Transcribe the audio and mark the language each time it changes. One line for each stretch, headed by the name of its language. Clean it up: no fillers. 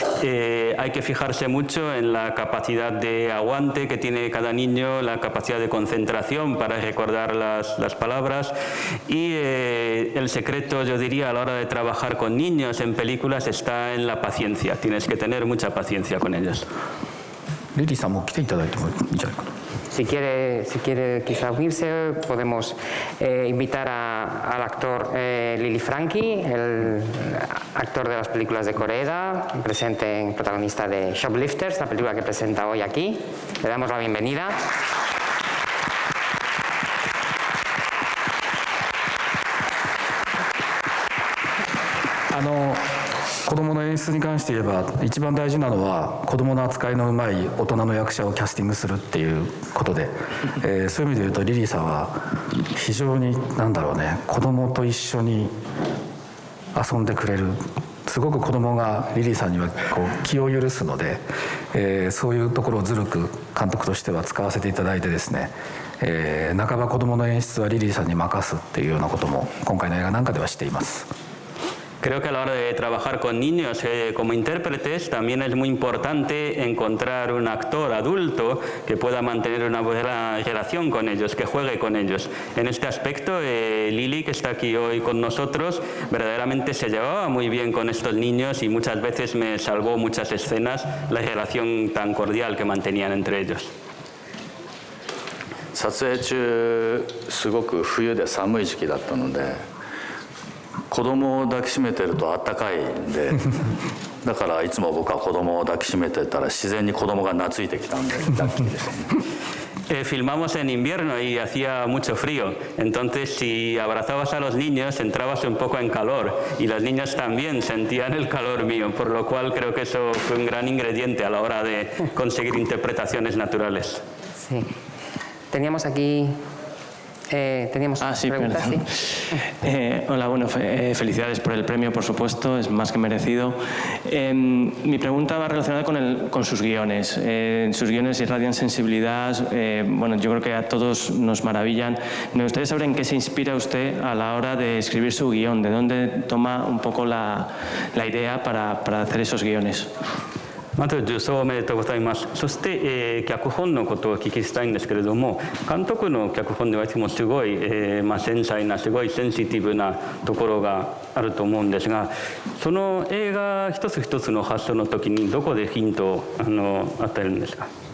Spanish: Hay que fijarse mucho en la capacidad de aguante que tiene cada niño, la capacidad de concentración para recordar las palabras. Y el secreto, yo diría, a la hora de trabajar con niños en películas está en la paciencia. Tienes que tener mucha paciencia con ellos.
Japanese: Lili-san, も来ていただいてもいいんじゃないかな。
Spanish: Si quiere quizá unirse, podemos invitar al actor Lili Franchi, el actor de las películas de Kore-eda, presente en protagonista de Shoplifters, la película que presenta hoy aquí. Le damos la bienvenida.
Japanese: Ano, 子供の演出に関して言えば、一番大事なのは子供の扱いのうまい大人の役者をキャスティングするっていうことで、そういう意味で言うとリリーさんは非常に、なんだろうね、子供と一緒に遊んでくれる、すごく子供がリリーさんにはこう気を許すので、そういうところをずるく監督としては使わせていただいてですね、半ば子供の演出はリリーさんに任すっていうようなことも今回の映画なんかではしています。
Spanish: Creo que a la hora de trabajar con niños como intérpretes también es muy importante encontrar un actor adulto que pueda mantener una buena relación con ellos, que juegue con ellos. En este aspecto, Lili, que está aquí hoy con nosotros, verdaderamente se llevaba muy bien con estos niños y muchas veces me salvó muchas escenas la relación tan cordial que mantenían entre ellos.
Japanese: 撮影中、すごく冬で寒い時期だったので、子供を抱きしめてるとあったかいんで、だからいつも僕は子供を抱きしめてたら自然に子供が懐いてきたんで、ラッキーですね。
Spanish: Filmamos en invierno y hacía mucho frío. Entonces, si abrazabas a los niños, entrabas un poco en calor. Y las niñas también sentían el calor mío. Por lo cual, creo que eso fue un gran ingrediente a la hora de conseguir interpretaciones naturales. Sí. Teníamos aquí... teníamos una pregunta, sí. Hola, bueno, felicidades por el premio, por supuesto, es más que merecido. Mi pregunta va relacionada con sus guiones. Sus guiones irradian sensibilidad, bueno, yo creo que a todos nos maravillan. ¿Me gustaría saber en qué se inspira usted a la hora de escribir su guión? ¿De dónde toma un poco la idea para hacer esos guiones?
Japanese: まず受賞おめでとうございます。そして、脚本のことをお聞きしたいんですけれども、監督の脚本ではいつもすごい、繊細なすごいセンシティブなところがあると思うんですが、その映画一つ一つの発想の時にどこでヒントを与えるんですか。